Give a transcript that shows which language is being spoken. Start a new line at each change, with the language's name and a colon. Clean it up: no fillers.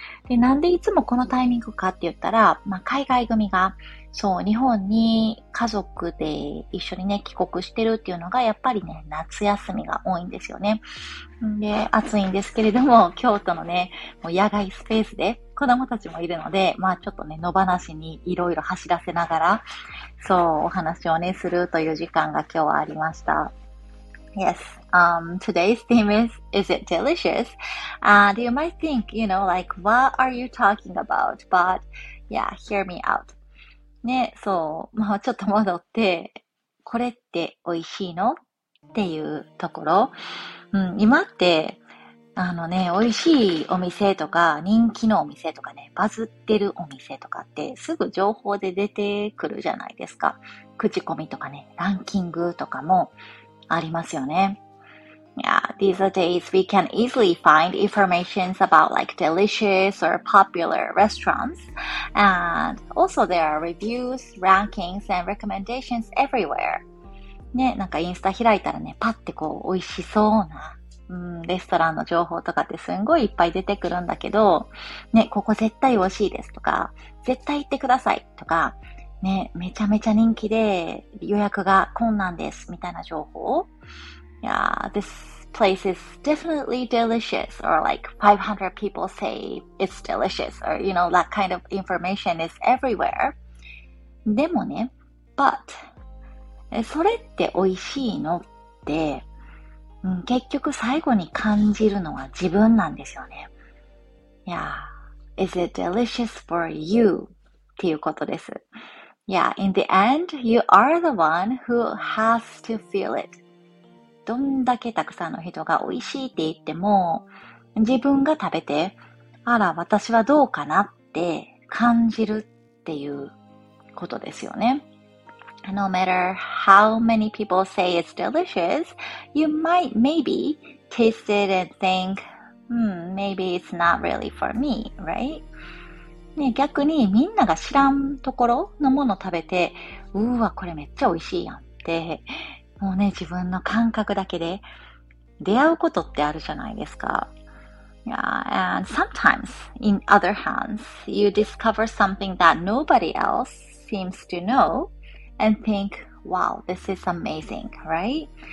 Japanese: で、なんでいつもこのタイミングかって言ったら、まあ海外組が、そう、日本に家族で一緒にね、帰国してるっていうのが、やっぱりね、夏休みが多いんですよね。で、暑いんですけれども、京都のね、もう野外スペースで子供たちもいるので、まあちょっとね、野放しにいろいろ走らせながら、そう、お話をね、するという時間が今日はありました。
English: Yes, today's theme is it delicious? You might think, you know, like, what are you talking about? But, yeah, hear me out.
Japanese: ね、そう、まあちょっと戻って、これって美味しいの? っていうところ。今って、あのね、美味しいお店とか、人気のお店とかね、バズってるお店とかって、すぐ情報で出てくるじゃないですか。口コミとかね、ランキングとかもありますよね。
English: Yeah, these days we can easily find informations about like delicious or popular restaurants. And also there are reviews, rankings, and recommendations everywhere.
Japanese: ね、なんかインスタ開いたらね、パッてこう美味しそうな、レストランの情報とかってすんごいいっぱい出てくるんだけど、ね、ここ絶対美味しいですとか、絶対行ってくださいとか、ね、めちゃめちゃ人気で予約が困難ですみたいな情報。
English: Yeah, this place is definitely delicious, or like 500 people say it's delicious, or you know, that kind of information is everywhere.
Japanese: でもね、but, それって美味しいのって、結局最後に感じるのは自分なんですよね。
English: Yeah, is it delicious for you?
Japanese: っていうことです。
English: Yeah, in the end, you are the one who has to feel it.
Japanese: どんだけたくさんの人が美味しいって言っても、自分が食べて、あら、私はどうかなって感じるっていうことですよね。
English: No matter how many people say it's delicious, you might maybe taste it and think, maybe it's not really for me, right?
Japanese: ね、逆にみんなが知らんところのものを食べて、うーわ、これめっちゃ美味しいやんって、もうね、自分の感覚だけで出会うことってあるじゃないですか。
English: Yeah, and sometimes, in other hands, you discover something that nobody else seems to know and think, wow, this is amazing, right?